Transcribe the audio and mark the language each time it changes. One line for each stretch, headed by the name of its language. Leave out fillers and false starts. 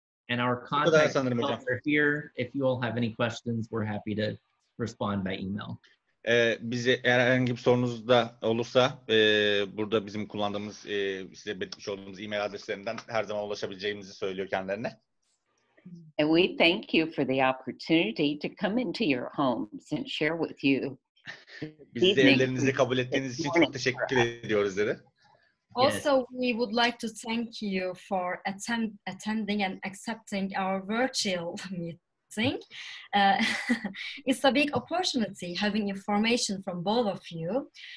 English: And our contact people are here. If you all have any questions, we're happy to respond by email.
Turkish: Bize herhangi bir sorunuz da olursa burada bizim kullandığımız size belirtmiş olduğumuz e-mail adreslerinden her zaman ulaşabileceğimizi söylüyor kendilerine.
English: And we thank you for the opportunity to come into your homes and share with you.
Turkish: Biz de evlerinizi kabul ettiğiniz için çok teşekkür ediyoruz dedi.
English: Also, we would like to thank you for attending and accepting our virtual meeting. It's a big opportunity having information from both of you.